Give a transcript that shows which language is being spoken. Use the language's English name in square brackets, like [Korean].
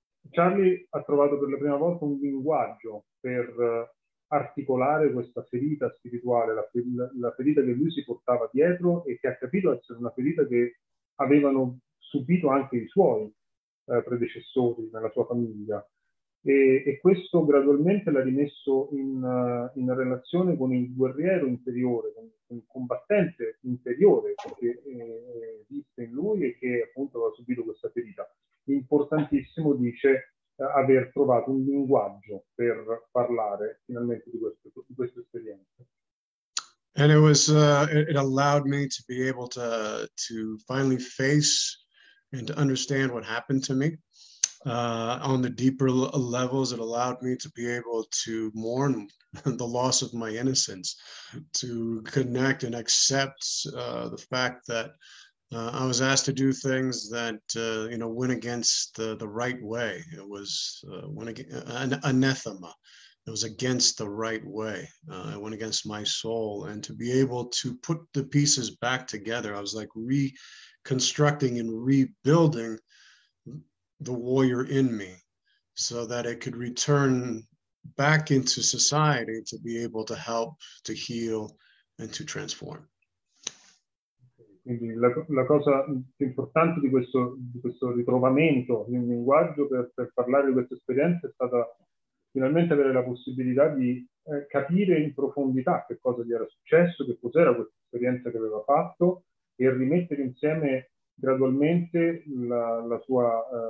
[Italian] Charlie ha trovato per la prima volta un linguaggio per articolare questa ferita spirituale, la ferita che lui si portava dietro e che ha capito essere una ferita che avevano subito anche i suoi predecessori nella sua famiglia, e questo gradualmente l'ha rimesso in relazione con il guerriero interiore, con il combattente interiore che esiste in lui e che appunto aveva subito questa ferita. Importantissimo, dice, aver trovato un linguaggio per parlare finalmente di questa esperienza. [English] And it was it allowed me to be able to finally face and to understand what happened to me on the deeper levels. It allowed me to be able to mourn the loss of my innocence, to connect and accept the fact that I was asked to do things that went against the right way. It was anathema. It was against the right way. It went against my soul. And to be able to put the pieces back together, I was like reconstructing and rebuilding the warrior in me so that it could return back into society to be able to help, to heal, and to transform. [Italian] Quindi la cosa più importante di questo ritrovamento di un linguaggio per parlare di questa esperienza è stata finalmente avere la possibilità di capire in profondità che cosa gli era successo, che cos'era questa esperienza che aveva fatto e rimettere insieme gradualmente la sua